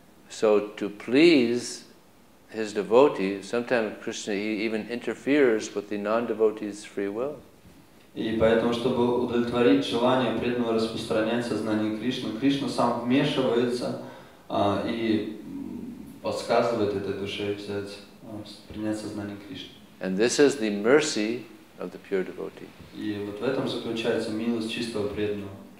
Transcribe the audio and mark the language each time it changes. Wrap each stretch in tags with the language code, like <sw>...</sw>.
<en>So to please his devotee, sometimes Krishna he even interferes with the non-devotee's free will.</en> <ru>И поэтому, чтобы удовлетворить желание преданного распространять сознание Кришны, Кришна сам вмешивается и подсказывает этой душе принять сознание Кришны.</ru> <en>And this is the mercy of the pure devotee.</en> <ru>И вот в этом заключается милость чистого преданного.</ru>